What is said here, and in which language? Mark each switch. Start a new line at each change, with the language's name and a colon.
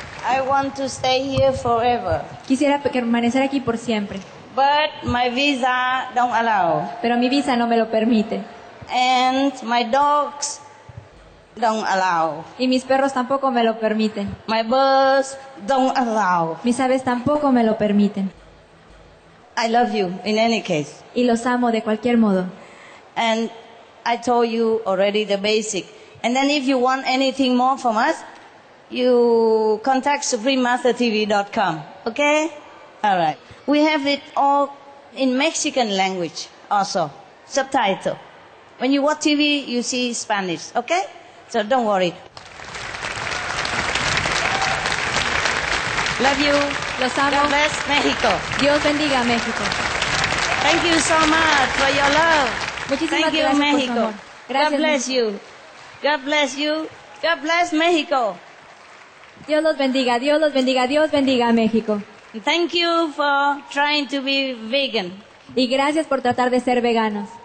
English: I want to stay here forever.
Spanish: Quisiera permanecer aquí por siempre.
English: But my visa don't allow.
Spanish: Pero mi visa no me lo permite.
English: And my dogs don't allow.
Spanish: Y mis perros tampoco me lo permiten.
English: My birds don't allow.
Spanish: Mis aves tampoco me lo permiten.
English: I love you in any case.
Spanish: Y los amo de cualquier modo.
English: And I told you already the basic. And then if you want anything more from us, you contact SupremeMasterTV.com. Okay? All right. We have it all in Mexican language also. Subtitle. When you watch TV, you see Spanish. Okay? So don't worry. Love you.
Spanish: Los amo.
English: God bless Mexico.
Spanish: Dios bendiga a Mexico.
English: Thank you so much for your love.
Spanish: Muchísimas
English: Thank
Spanish: gracias
English: you, Mexico.
Spanish: Gracias,
English: God bless Mexico. You. God bless you. God bless Mexico.
Spanish: Dios los bendiga. Dios los bendiga. Dios bendiga a Mexico.
English: Thank you for trying to be vegan.
Spanish: Y gracias por tratar de ser veganos.